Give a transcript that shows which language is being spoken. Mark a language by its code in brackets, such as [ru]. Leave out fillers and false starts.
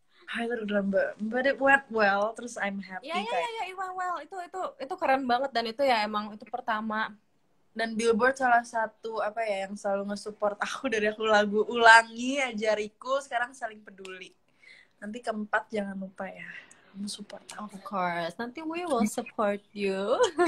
[en] I don't remember, but it went well. [id] Terus [en] I'm happy. Ya, it went well. [id] Itu keren banget, dan itu ya emang itu pertama. Dan Billboard salah satu apa ya yang selalu nge-support aku dari aku lagu ulangi ajariku sekarang saling peduli. Nanti keempat jangan lupa ya, kamu support aku. [en] Of course. [id] Nanti [en] we will support you.